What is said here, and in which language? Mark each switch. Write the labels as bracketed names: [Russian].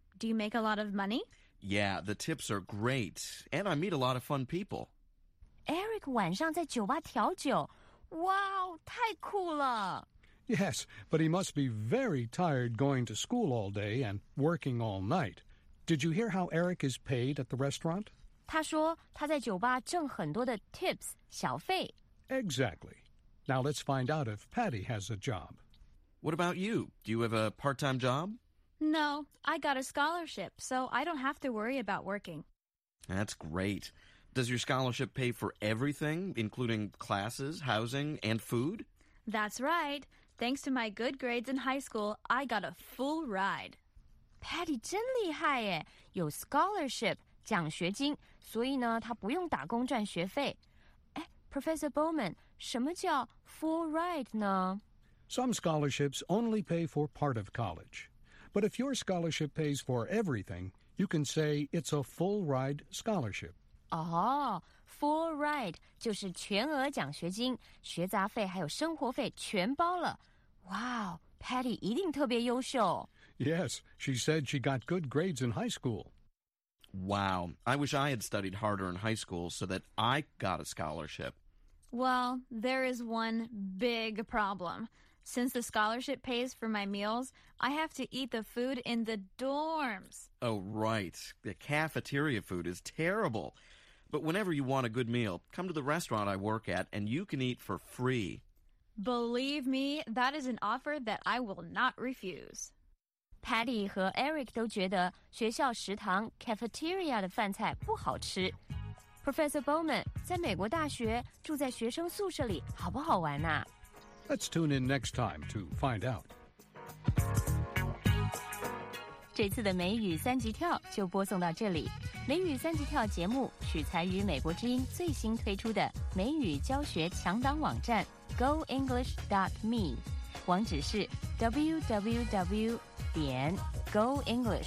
[English] Do you make a lot of money? Yeah, the tips are great, and I meet a lot of fun people. [Chinese] Eric 晚上在酒吧调酒。 Wow, 太酷了。 [English] Yes, but he must be very tired going to school all day and working all night. Did you hear how Eric is paid at the restaurant? [Chinese] 他说他在酒吧挣很多的 tips, 小费。 [English] Exactly. Now let's find out if Patty has a job. What about you? Do you have a part-time job? No, I got a scholarship, so I don't have to worry about working. That's great. Does your scholarship pay for everything, including classes, housing, and food? That's right. Thanks to my good grades in high school, I got a full ride. [Chinese] Patty 真厉害耶，有 scholarship, 奖学金，所以呢，她不用打工赚学费。哎 ，Professor Bowman, 什么叫 full ride 呢 [English] ？Some scholarships only pay for part of college. But if your scholarship pays for everything, you can say it's a full ride scholarship. [Chinese] 哦 ，full ride 就是全额奖学金，学杂费还有生活费全包了。哇、wow, ，Patty 一定特别优秀。 [English] Yes, she said she got good grades in high school. Wow, I wish I had studied harder in high school so that I got a scholarship. Well, there is one big problem. Since the scholarship pays for my meals, I have to eat the food in the dorms. Oh, right. The cafeteria food is terrible. But whenever you want a good meal, come to the restaurant I work at, and you can eat for free. Believe me, that is an offer that I will not refuse. [Chinese] Patty 和 Eric 都觉得学校食堂 cafeteria 的饭菜不好吃。 Professor Bowman, 在美国大学住在学生宿舍里好不好玩啊？ [English] Let's tune in next time to find out. [Chinese] 这次的美语三级跳就播送到这里。美语三级跳节目取材于美国之音最新推出的美语教学强档网站 goenglish.me， 网址是 www.goenglish.me。